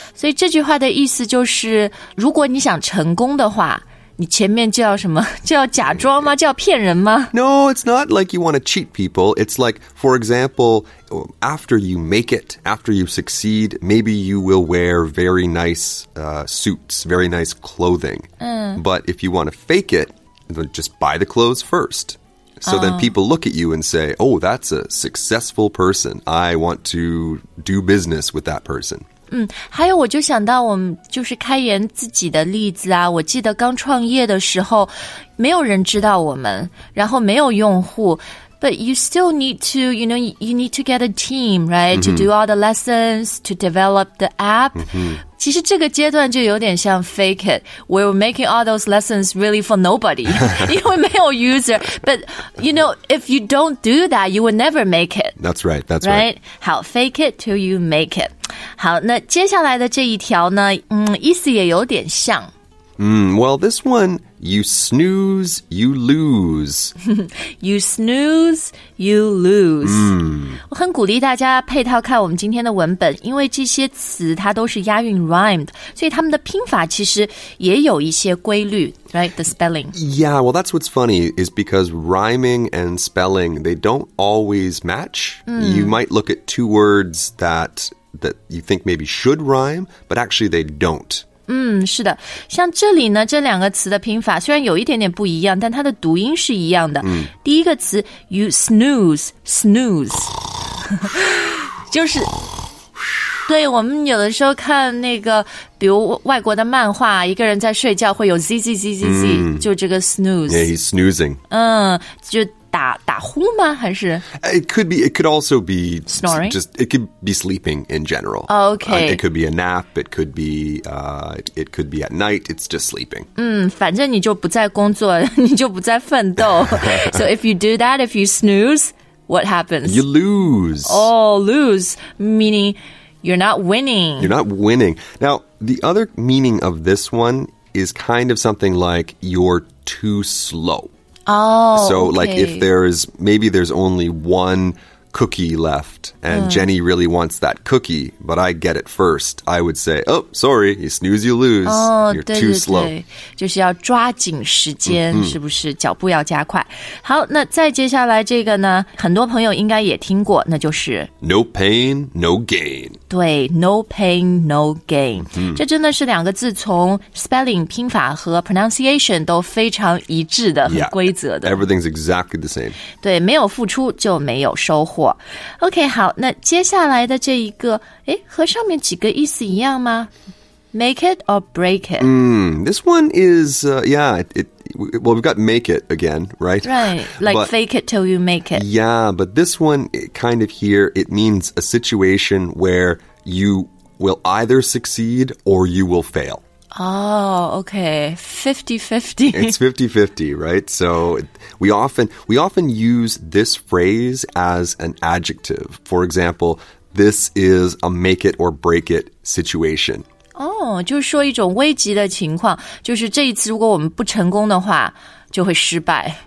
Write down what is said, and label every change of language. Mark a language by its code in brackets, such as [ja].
[zh] 所以这句话的意思就是，如果你想成功的话，你前面就要什么？就要假装吗？就要骗人吗？ [en] No, it's not like you want to cheat people. It's like, for example, after you make it, after you succeed, maybe you will wear very nice suits, very nice clothing. But if you want to fake it, then just buy the clothes first. So then people look at you and say, oh, that's a successful person. I want to do business with that person. [zh] 还有我就想到我们就是开言自己的例子啊。我记得刚创业的时候没有人知道我们，然后没有用户。 [en] But you still need to, you know, you need to get a team, right? To do all the lessons, to develop the app. [zh] 其实这个阶段就有点像 [en] fake it. We were making all those lessons really for nobody. [zh] 因为没有 [en] user. But, you know, if you don't do that, you will never make it. That's right, that's right. [zh] 好 [en] fake it till you make it. [zh] 好那接下来的这一条呢意思也有点像。 [en] Well, this one, you snooze, you lose. You snooze, you lose. [zh] 我很鼓励大家配套看我们今天的文本，因为这些词它都是押韵 rhymed, 所以它们的拼法其实也有一些规律 [en] right? The spelling. Yeah, well, that's what's funny, is because rhyming and spelling, they don't always match. You might look at two words that you think maybe should rhyme, but actually they don't. [zh] 是的，像这里呢，这两个词的拼法虽然有一点点不一样，但它的读音是一样的。第一个词 [en] you snooze [zh] 就是对，我们有的时候看那个比如外国的漫画，一个人在睡觉会有 zzzzz 就这个 snooze [en] yeah, he's snoozing [zh] 就打呼吗？还是 [en] It could also be snoring. It could be sleeping in general. Okay. It could be a nap. It could be at night. It's just sleeping. [zh] 反正你就不在工作，你就不在奋斗。 [en] So if you do that, if you snooze, what happens? You lose. Oh, lose meaning you're not winning. You're not winning. Now the other meaning of this one is kind of something like you're too slow. Oh, so, okay. Like, if there's, maybe there's only one cookie left, and Jenny really wants that cookie, but I get it first, I would say, oh, sorry, you snooze, you lose. Oh, you're too slow. [zh] 就是要抓紧时间，是不是？脚步要加快。好，那再接下来这个呢，很多朋友应该也听过，那就是 [en] No pain, no gain. [zh] 对 , [en] no pain, no gain.、 [zh] 这真的是两个字从 spelling, 拼法和 pronunciation 都非常一致的，很规则的。 [en] Yeah, everything's exactly the same. [zh] 对，没有付出就没有收获。OK, 好，那接下来的这一个，诶，和上面几个意思一样吗？ [en] Make it or break it? This one is, well, we've got make it again, right? Right, like fake it till you make it. Yeah, but this one, kind of here, it means a situation where you will either succeed or you will fail. Oh, okay, 50-50. It's 50-50, right? So we often use this phrase as an adjective. For example, this is a make it or break it situation. [zh] 哦，就是说一种危急的情况，就是这一次如果我们不成功的话，就会失败。